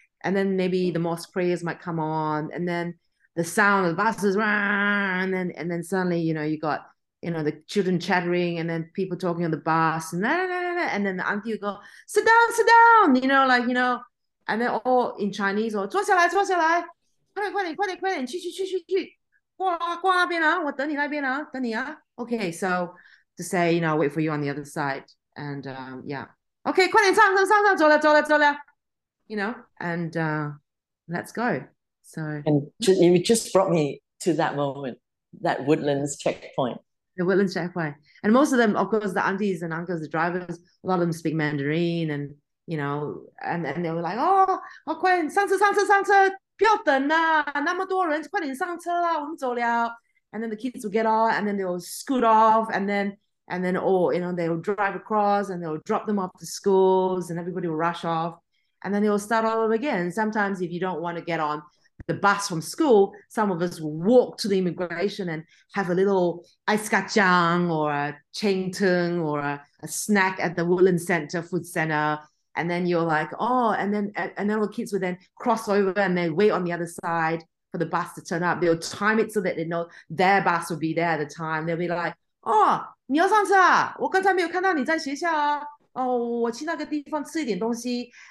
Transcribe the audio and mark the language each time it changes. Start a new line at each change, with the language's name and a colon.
English: And then maybe the mosque prayers might come on. And then the sound of the buses, and then suddenly, you know, you got, you know, the children chattering and then people talking on the bus. And then the auntie would go, sit down, you know, like, you know. And then all in Chinese, or
Chinese: 坐下来, 坐下来. 快点，快点，快点，快点，去去去去去，过那边啊，我等你那边啊，等你啊。
English: Okay, so to say, you know, wait for you on the other side, and yeah, okay,
Chinese: 快点上上上上，走了走了走了，
English: you know, and let's go. So, And you just brought me to that moment, that Woodlands checkpoint. the Woodlands Checkpoint, and most of them, of course, the aunties and uncles, the drivers, a lot of them speak Mandarin, and you know, and they were like, oh,
Chinese: 快点上车上车上车。不要等啦，那么多人，快点上车啦，我们走了。
English: And then the kids will get off, and then they'll scoot off, and then all, you know, they'll drive across, and they'll drop them off to schools, and everybody will rush off, and then they'll start all over again. Sometimes, if you don't want to get on the bus from school, some of us will walk to the immigration and have a little ice kacang or a cheng tng or a snack at the Woodland Center Food Center. And then you're like, oh, and then the kids would then cross over and they wait on the other side for the bus to turn up. They'll time it so that they know their bus will be there at the time. They'll be like, oh,
Chinese: 你要上车啊？我刚才没有看到你在学校啊。哦，我去那个地方吃一点东西。